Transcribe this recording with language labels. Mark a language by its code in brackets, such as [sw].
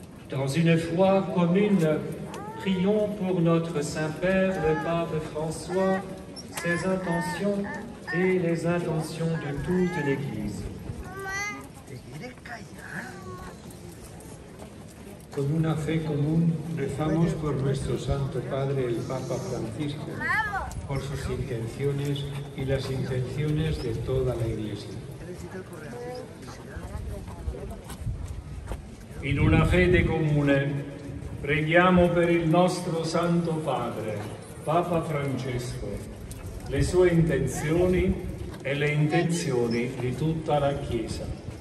[fr] Dans une foi commune, prions pour notre Saint-Père, le Pape François, ses intentions et les intentions de toute l'Église. [es] Con una fe común, rezamos por nuestro Santo Padre, el Papa Francisco, por sus intenciones y las intenciones de toda la Iglesia. [it] In una fede comune, preghiamo per il nostro Santo Padre, Papa Francesco, le sue intenzioni e le intenzioni di tutta la Chiesa.